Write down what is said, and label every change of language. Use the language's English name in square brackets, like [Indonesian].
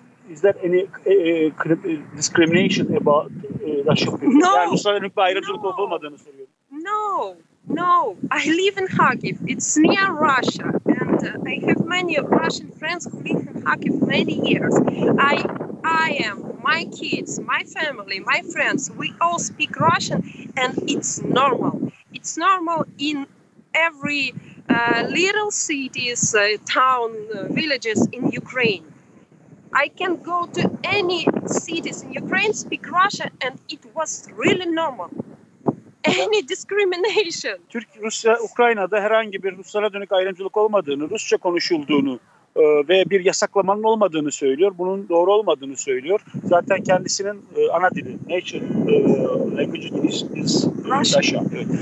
[English] Is there any discrimination about Russian people? No. [Turkish] Yani Ruslarla büyük bir ayrımcılık olmadığını soruyorum. [English] No. No, I live in Kharkiv. It's near Russia, and I have many Russian friends who live in Kharkiv many years. I am, my kids, my family, my friends, we all speak Russian, and it's normal. It's normal in every little cities, town, villages in Ukraine. I can go to any cities in Ukraine, speak Russian, and it was really normal. Any discrimination. [Turkish] Türk Rusya Ukrayna'da herhangi bir Ruslara dönük ayrımcılık olmadığını, Rusça konuşulduğunu ve bir yasaklamanın olmadığını söylüyor. Bunun doğru olmadığını söylüyor. Zaten kendisinin ana dili, [English] nature language is Russia. [Turkish] Evet.